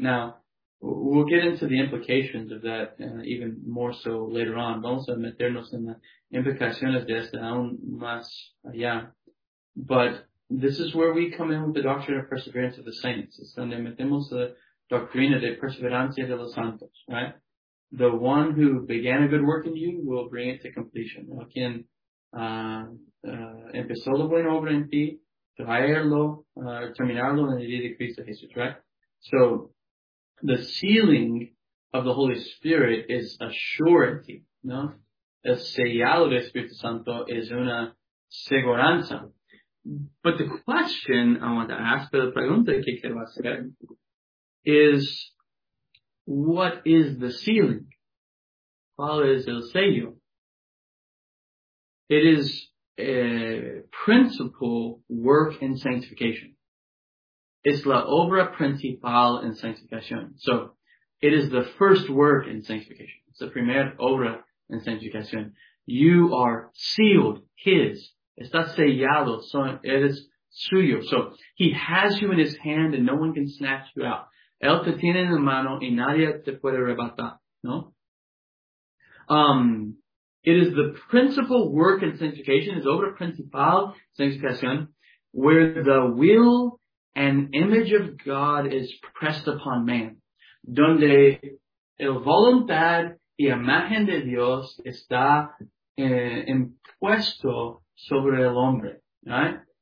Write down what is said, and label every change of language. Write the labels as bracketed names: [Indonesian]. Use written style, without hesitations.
[English] Now, we'll get into the implications of that even more so later on. [Spanish] Vamos a meternos en las implicaciones de esta aún más allá. [English] But this is where we come in with the doctrine of perseverance of the saints. [Spanish] Es donde metemos la doctrina de perseverancia de los santos, right? [English] The one who began a good work in you will bring it to completion. [Spanish] Quien empezó la buena obra en ti, traerlo, terminarlo en el día de Cristo Jesús, right? [English] So, the sealing of the Holy Spirit is a surety, ¿no? [Spanish] El sellado del Espíritu Santo es una seguranza. [English] But the question I want to ask, [Spanish] pero la pregunta que quiero hacer, [English] is what is the sealing? [Spanish] ¿Cuál es el sello? [English] It is a principal work in sanctification. [Spanish] Es la obra principal en sanctificación. [English] So, it is the first work in sanctification. It's the [Spanish] primer obra en sanctificación. [English] You are sealed, his. [Spanish] Estás sellado, son, eres suyo. [English] So, he has you in his hand and no one can snatch you out. [Spanish] Él te tiene en la mano y nadie te puede arrebatar, ¿no? [English] It is the principal work in sanctification, [Spanish] is obra principal, sanctificación, [English] where the will and image of God is pressed upon man. [Spanish] Donde el voluntad y imagen de Dios está impuesto sobre el hombre, right?